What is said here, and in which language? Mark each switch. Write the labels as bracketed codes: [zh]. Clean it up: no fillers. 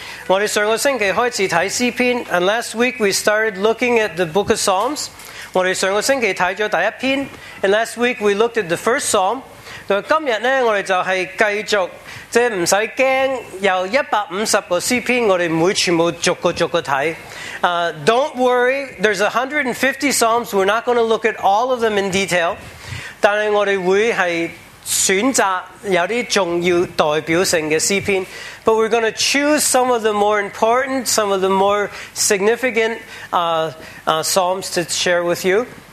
[zh] 我们上个星期开始看诗篇, [en] and last week we started looking at the book of Psalms. [zh] 我们上个星期看了第一篇, [en] and last week we looked at the first Psalm. [zh] 今天我们就是继续,不用怕,有150个诗篇,我们每全部逐个逐个看。 [en] Don't worry, there's 150 Psalms, we're not going to look at all of them in detail. [zh] 但是我们会选择有些重要代表性的诗篇, [en] but we're going to choose some of the more important, some of the more significant Psalms to share with you.